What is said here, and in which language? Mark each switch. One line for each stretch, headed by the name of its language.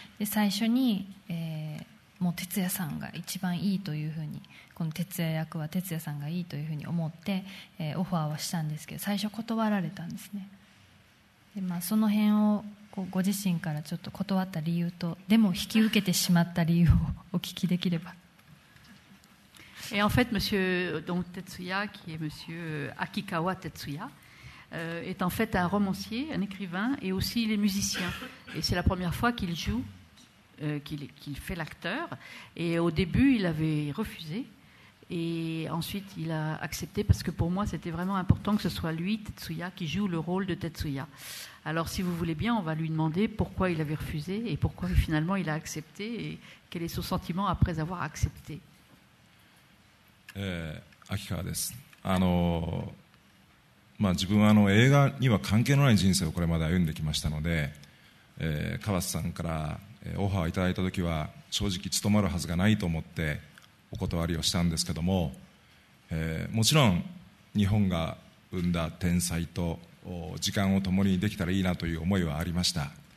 Japanese: で最初に、もう徹也さんが一番いいというふうに、この徹也役は徹也さんがいいというふうに思って、オファーはしたんですけど、最初断られたんですね。で、まあ、その辺をこうご自身からちょっと断った理由と、でも引き受けてしまった理由をお聞きできれば。
French: Et en fait, Monsieur donc Tetsuya, qui est Monsieur Akikawa Tetsuya, est en fait un romancier, un écrivain, et aussi il est musicien. Et c'est la première fois qu'il joue, qu'il fait l'acteur. Et au début, il avait refusé, et ensuite il a accepté parce que pour moi, c'était vraiment important que ce soit lui, Tetsuya, qui joue le rôle de Tetsuya. Alors, si vous voulez bien, on va lui demander pourquoi il avait refusé et pourquoi finalement il a accepté et quel est son sentiment après avoir accepté.
Japanese: 秋川です。自分は映画には関係のない人生をこれまで歩んできましたので、川瀬さんから、オファーをいただいたときは正直務まるはずがないと思ってお断りをしたんですけども、もちろん日本が生んだ天才と時間を共にできたらいいなという思いはありました。